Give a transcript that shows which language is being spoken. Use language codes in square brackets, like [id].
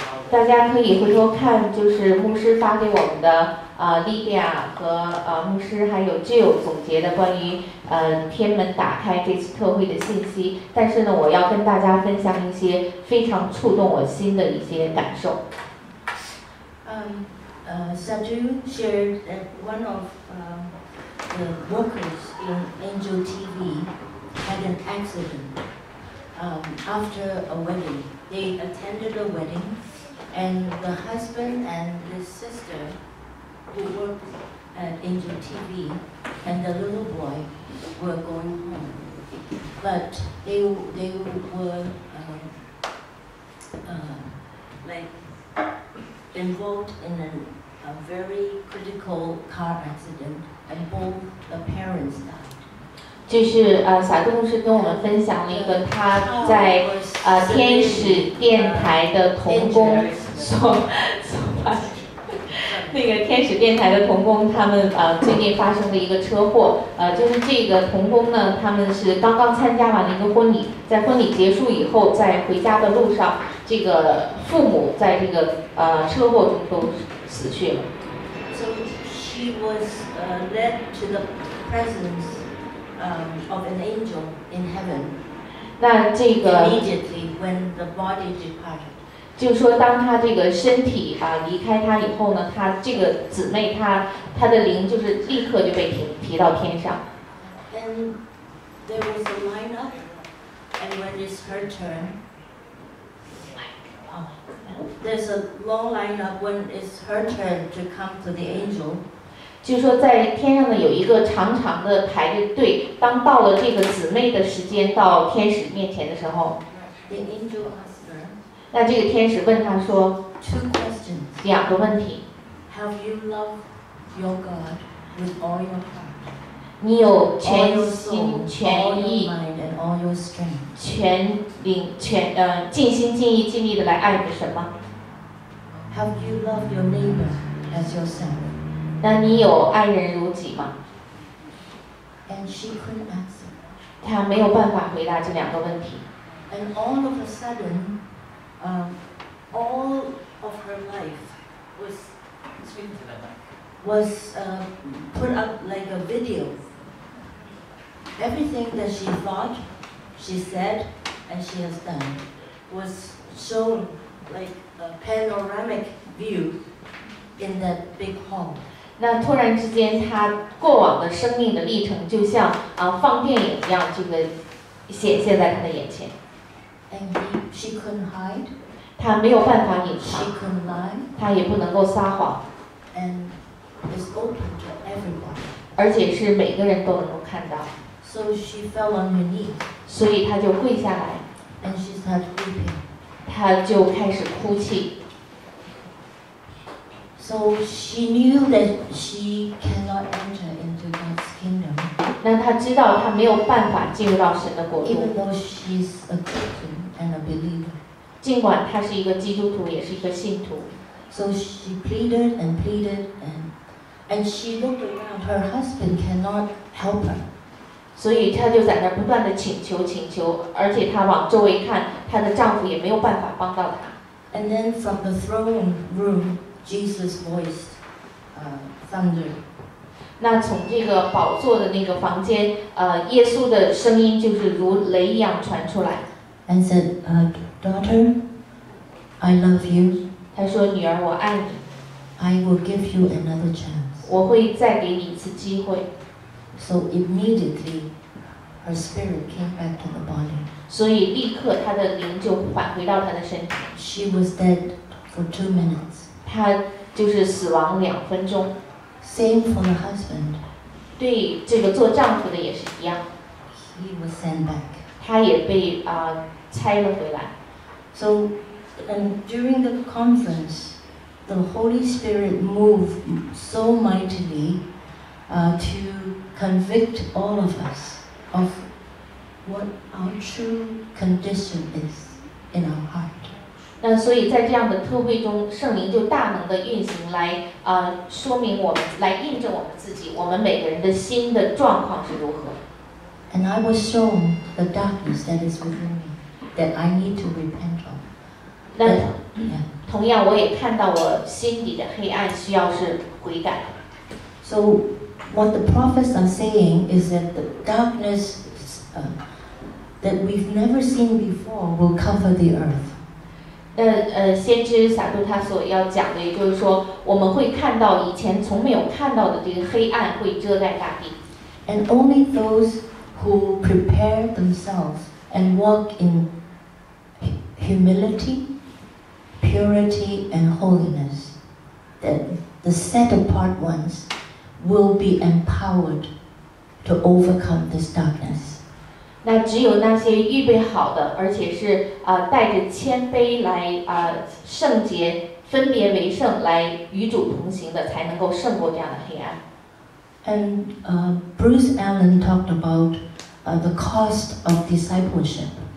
[zh] 大家可以回头看，就是牧师发给我们的莉迪亚和牧师还有 Jill 总结的关于天门打开这次特会的信息。但是呢，我要跟大家分享一些非常触动我心的一些感受。 [en] Saju shared that one of the workers in Angel TV had an accident after a wedding. They attended a wedding. And the husband and his sister, who worked at Angel TV, and the little boy were going home. But they were involved in a very critical car accident, and both the parents died. [zh] 就是撒杜牧师跟我们分享了一个他在天使电台的童工所把那个天使电台的同工他们最近发生的一个车祸，就是这个同工呢，他们是刚刚参加完了一个婚礼，在婚礼结束以后，在回家的路上，这个父母在这个车祸中都死去了。 [en] So she was led to the presence of an angel in heaven. [zh] 那这个 [en] immediately when the body departed. [zh] 就是说当他这个身体离开他以后呢，他这个姊妹他的灵就是立刻就被提到天上。 [en] And there was a line up, and when it's her turn, there's a long line up when it's her turn to come to the angel. [zh] 就是说在天上呢有一个长长的排着队，当到了这个姊妹的时间到天使面前的时候。 [en] The angel asked. [zh] 那这个天使问他说 [en] Two questions. [zh] 两个问题 [en] Have you loved your God with all your heart? [zh] 你有全心 [en] all your soul, [zh] 全意 [en] all your mind and all your strength. [zh] 尽心尽意尽力的来爱你的神吗 [en] Have you loved your neighbor as yourself? [zh] 那你有爱人如己吗 [en] And she couldn't answer. [zh] 他没有办法回答这两个问题 [en] And all of a suddenall of her life was put up like a video. Everything that she thought, she said, and she has done was shown like a panoramic view in that big hall. [zh] 那突然之间，她过往的生命的历程就像放电影一样，这个显现在她的眼前。 [en] And she couldn't hide. [zh] 他没有办法隐藏 [en] she [zh] 他也不能够撒谎 [en] and it's open to everyone. [zh] 而且是每个人都能够看到 [en] so she fell on her knees. [zh] 所以他就跪下来 [en] and she started weeping. [zh] 他就开始哭泣 [en] so she knew that she cannot enter into God's kingdom. [zh] 那他知道他没有办法进入到神的国度 [en] even though she's a Christian and a believer. [zh] 尽管他是一个基督徒，也是一个信徒。 [en] So she pleaded and pleaded and she looked around. Her husband cannot help her. [zh] 所以她就在那不断的请求请求，而且她往周围看，她的丈夫也没有办法帮到她。 [en] And then from the throne room, Jesus' voice, thunder. [zh] 那从这个宝座的那个房间，耶稣的声音就是如雷一样传出来。 [en] And said, Daughter, I love you. [zh] 他说女儿我爱你。 [en] I will give you another chance. [zh] 我会再给你一次机会。 [en] So immediately, her spirit came back to the body. [zh] 所以立刻她的灵就返回到她的身体。 [en] She was dead for 2 minutes. [zh] 她就是死亡2分钟。 [en] Same for the husband. [zh] 对这个做丈夫的也是一样。 [en] He was sent back. [zh] 他也被拆了回来。 [en] So, and during the conference, the Holy Spirit moved so mightily to convict all of us of what our true condition is in our heart. [zh] 那所以在这样的特会中，圣灵就大能的运行来说明我们，来印证我们自己，我们每个人的心的状况是如何。 [en] And I was shown the darkness that is within me that I need to repent of. [zh] 那同样，我也看到我心底的黑暗需要是悔改。 [en] So, what the prophets are saying is that the darkness that we've never seen before will cover the earth. [zh] 那先知撒杜他所要讲的，也就是说，我们会看到以前从没有看到的这个黑暗会遮盖大地。 [en] And only those who prepare themselves and walk in humility. Purity and holiness, that the set apart ones will be empowered to overcome this darkness. [zh] 那只有那些预备好的，而且是带着谦卑来圣洁，分别为圣，来与主同行的，才能够胜过这样的黑暗。 [en] And Bruce Allen talked about the cost of discipleship.